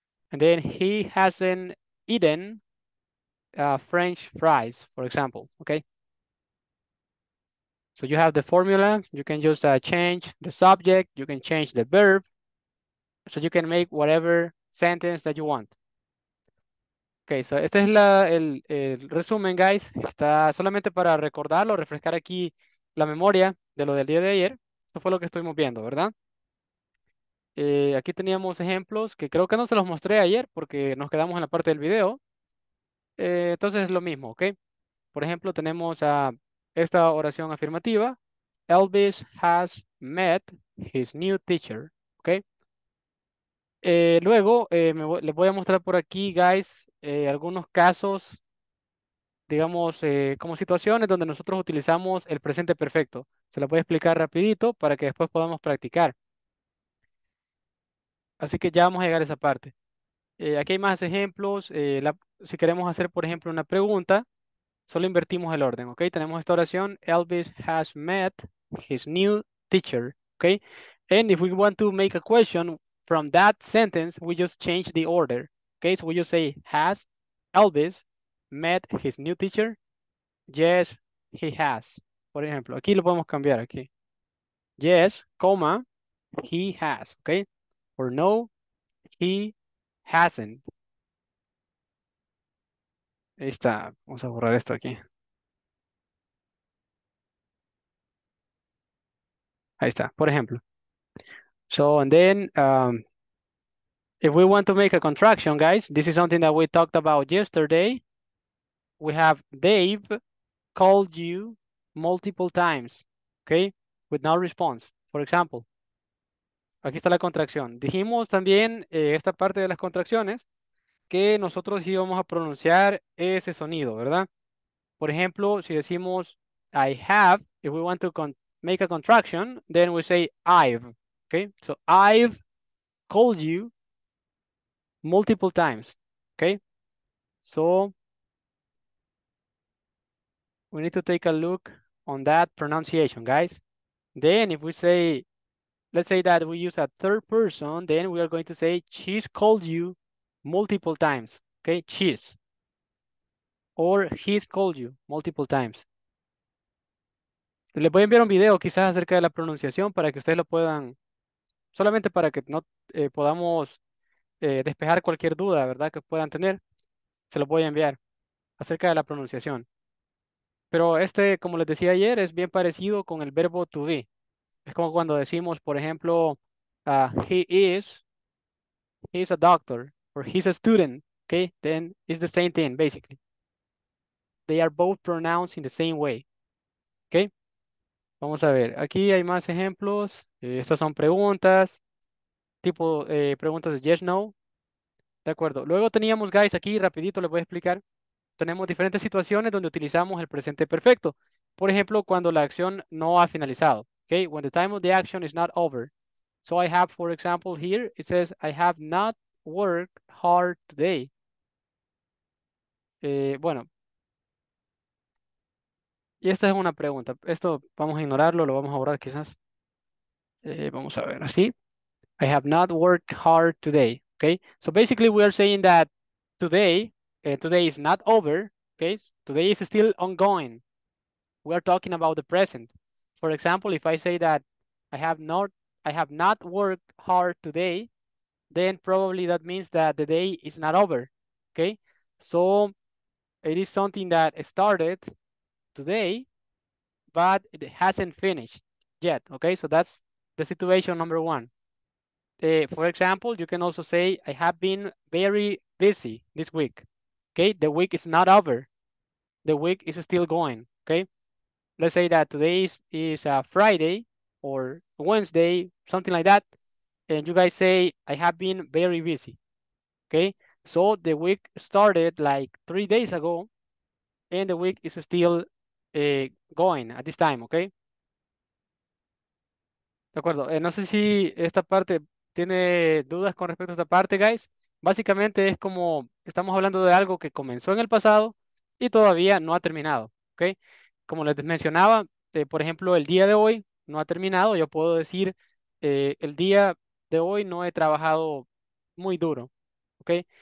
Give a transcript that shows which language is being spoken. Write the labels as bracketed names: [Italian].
[English] And then he hasn't eaten French fries, for example, okay. So you have the formula, you can just change the subject, you can change the verb, so you can make whatever sentence that you want. Okay, so [Spanish] este es el resumen, guys. Está solamente para recordarlo, refrescar aquí la memoria de lo del día de ayer. Esto fue lo que estuvimos viendo, ¿verdad? Aquí teníamos ejemplos que creo que no se los mostré ayer porque nos quedamos en la parte del video. Entonces es lo mismo, ¿ok? Por ejemplo, tenemos a esta oración afirmativa. [English] Elvis has met his new teacher, ¿ok? [Spanish] Luego, les voy a mostrar por aquí, guys, algunos casos, digamos, como situaciones donde nosotros utilizamos el presente perfecto. Se los voy a explicar rapidito para que después podamos practicar. Así que ya vamos a llegar a esa parte. Aquí hay más ejemplos. Si queremos hacer, por ejemplo, una pregunta, solo invertimos el orden, ¿ok? Tenemos esta oración, [English] Elvis has met his new teacher, ¿ok? And if we want to make a question from that sentence, we just change the order. Okay, so we just say, has Elvis met his new teacher? Yes, he has. [Spanish] Por ejemplo, aquí lo podemos cambiar aquí. [English] Yes, comma, he has. Okay, or no, he hasn't. [Spanish] Ahí está. Vamos a borrar esto aquí. Ahí está, por ejemplo. [English] So, and then, if we want to make a contraction, guys, this is something that we talked about yesterday. We have Dave called you multiple times, okay, with no response. For example, [Spanish] aquí está la contracción. Dijimos también esta parte de las contracciones que nosotros íbamos a pronunciar ese sonido, ¿verdad? Por ejemplo, si decimos [English] I have, if we want to make a contraction, then we say I've. Okay, so I've called you multiple times. Okay, so we need to take a look on that pronunciation, guys. Then, if we say, let's say that we use a third person, then we are going to say she's called you multiple times. Okay, she's or he's called you multiple times. [Spanish] Les voy a enviar un video quizás acerca de la pronunciación para que ustedes lo puedan. Solamente para que no podamos despejar cualquier duda, ¿verdad? Que puedan tener, se los voy a enviar acerca de la pronunciación. Pero este, como les decía ayer, es bien parecido con el verbo to be. Es como cuando decimos, por ejemplo, [English] he's a doctor, or he's a student, okay? Then it's the same thing, basically. They are both pronounced in the same way, okay? [Spanish] Vamos a ver, aquí hay más ejemplos. Estas son preguntas, tipo preguntas de yes, no. De acuerdo. Luego teníamos, guys, aquí rapidito les voy a explicar. Tenemos diferentes situaciones donde utilizamos el presente perfecto. Por ejemplo, cuando la acción no ha finalizado. [English] Okay? When the time of the action is not over. So I have, for example, here, it says, I have not worked hard today. [Spanish] Bueno. Y esta es una pregunta. Esto vamos a ignorarlo, lo vamos a borrar quizás. Vamos a ver, así. [English] I have not worked hard today. Okay. So basically, we are saying that today is not over. Okay. Today is still ongoing. We are talking about the present. For example, if I say that I have not worked hard today, then probably that means that the day is not over. Okay. So it is something that started today, but it hasn't finished yet. Okay. So that's the situation number one. For example, you can also say, I have been very busy this week. Okay. The week is not over. The week is still going. Okay. Let's say that today is a Friday or Wednesday, something like that. And you guys say, I have been very busy. Okay. So the week started like 3 days ago and the week is still going at this time. Okay. [Spanish] De acuerdo, no sé si esta parte tiene dudas con respecto a esta parte, guys. Básicamente es como estamos hablando de algo que comenzó en el pasado y todavía no ha terminado, ¿ok? Como les mencionaba, por ejemplo, el día de hoy no ha terminado. Yo puedo decir, el día de hoy no he trabajado muy duro, ¿ok?